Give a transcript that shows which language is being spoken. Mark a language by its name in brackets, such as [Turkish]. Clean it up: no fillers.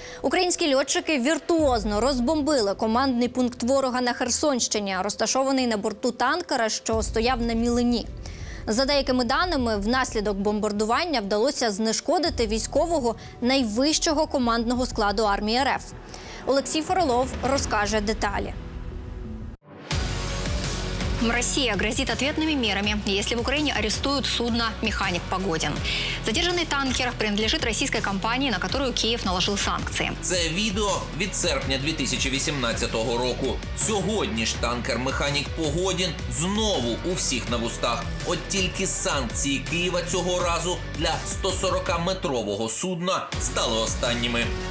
[Ukrainian] Українські льотчики віртуозно розбомбили командний пункт ворога на Херсонщині, розташований на борту танкера, що стояв на Мілині. За деякими даними, внаслідок бомбардування вдалося знешкодити військового найвищого командного складу армії РФ. Олексій Фролов розкаже деталі. [Russian] Россия грозит ответными мерами, если в Украине арестуют судно «Механик Погодин». Задержанный танкер принадлежит российской компании, на которую Киев наложил санкции. [Ukrainian] Це відео від серпня 2018 року. Сьогодні ж танкер «Механик Погодин» знову у всіх на вустах. От тільки санкції Києва цього разу для 140-метрового судна стали останніми.